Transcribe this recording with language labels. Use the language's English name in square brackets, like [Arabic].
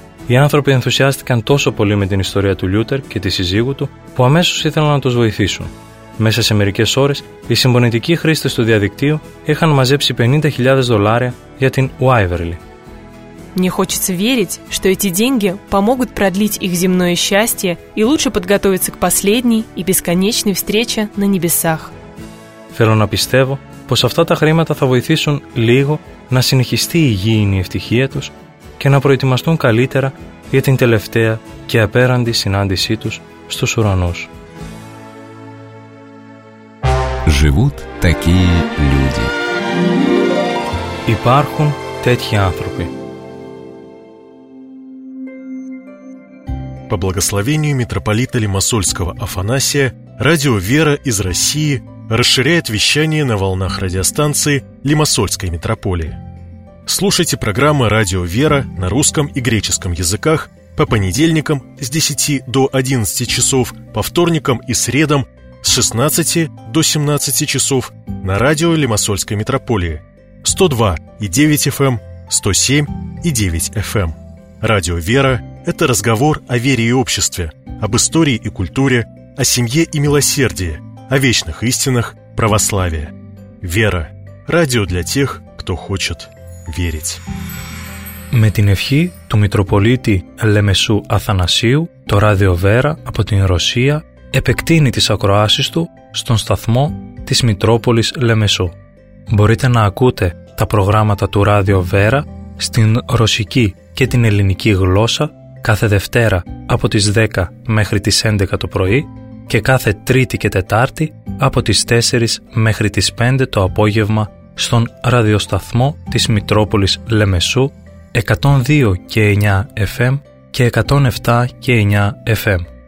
[Greek] Οι άνθρωποι ενθουσιάστηκαν τόσο πολύ με την ιστορία του Λιούτερ και τη σύζυγου του, που αμέσως ήθελαν να τους βοηθήσουν. Μέσα σε μερικές ώρες, οι συμπονητικοί χρήστες του διαδικτύου είχαν μαζέψει 50.000 δολάρια για την Ουάιβερλι. [Russian] Мне хочется верить, что эти деньги помогут продлить их земное счастье и лучше подготовиться к последней и бесконечной встрече на небесах. [Greek] Θέλω να πιστεύω πως αυτά τα χρήματα θα βοηθήσουν λίγο να συνεχιστεί η υγιεινή ευτυχία τους και να προετοιμαστούν καλύτερα για την τελευταία και απέραντη συνάντησή τους στους ουρανούς. [Russian] Живут такие люди. [Greek] Υπάρχουν τέτοιοι άνθρωποι. [Russian] По благословению митрополита Лимассольского Афанасия, радио «Вера» из России расширяет вещание на волнах радиостанции Лимассольской митрополии. Слушайте программы «Радио «Вера» на русском и греческом языках по понедельникам с 10 до 11 часов, по вторникам и средам с 16 до 17 часов на радио Лимассольской митрополии 102.9 FM, 107.9 FM. Радио «Вера» – это разговор о вере и обществе, об истории и культуре, о семье и милосердии, о вечных истинах православие. Вера. Радио для тех, кто хочет верить. [Greek] Με την ευχή του Μητροπολίτη Λεμεσού Αθανασίου, το Ράδιο Βέρα από την Ρωσία επεκτείνει τις ακροάσεις του στον σταθμό της Μητρόπολης Λεμεσού. Μπορείτε να ακούτε τα προγράμματα του Ράδιο Βέρα στην ρωσική και την ελληνική γλώσσα κάθε Δευτέρα από τις 10 μέχρι τις 11 το πρωί και κάθε Τρίτη και Τετάρτη από τις 4 μέχρι τις 5 το απόγευμα στον ραδιοσταθμό της Μητρόπολης Λεμεσού 102 και 9 FM και 107 και 9 FM.